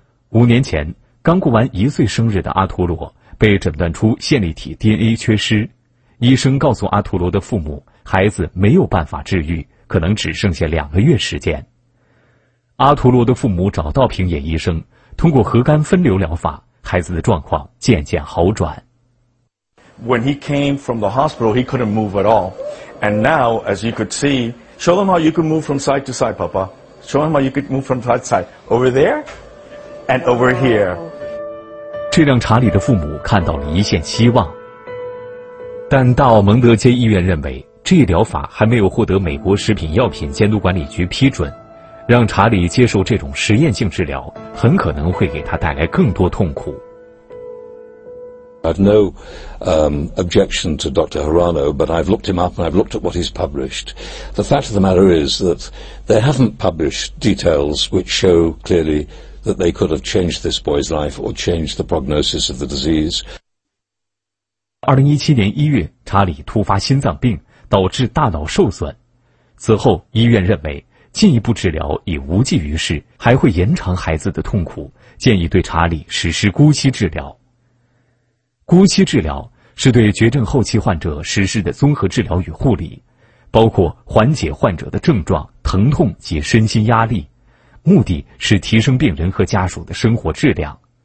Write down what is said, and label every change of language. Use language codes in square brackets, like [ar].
[zh] 五年前，刚过完一岁生日的阿图罗被诊断出线粒体 DNA 缺失，医生告诉阿图罗的父母，孩子没有办法治愈，可能只剩下两个月时间。阿图罗的父母找到平野医生，通过核苷分流疗法，孩子的状况渐渐好转。 [en] When he came from the hospital, he couldn't move at all. And now, as you could see, show them how you can move from side to side, Papa. Show them how you can move from side to side. Over there and over here. [zh] 这让查理的父母看到了一线希望。但大奥蒙德街医院认为这一疗法还没有获得美国食品药品监督管理局批准，让查理接受这种实验性治疗很可能会给他带来更多痛苦。 [en] I've no objection to Dr. Hirano, but I've looked him up and I've looked at what he's published. The fact of the matter is that they haven't published details which show clearly that they could have changed this boy's life or changed the prognosis of the disease. [zh] 2017年1月，查理突发心脏病，导致大脑受损。此后，医院认为进一步治疗已无济于事，还会延长孩子的痛苦，建议对查理实施姑息治疗。姑息治疗是对绝症后期患者实施的综合治疗与护理，包括缓解患者的症状、疼痛及身心压力，目的是提升病人和家属的生活质量。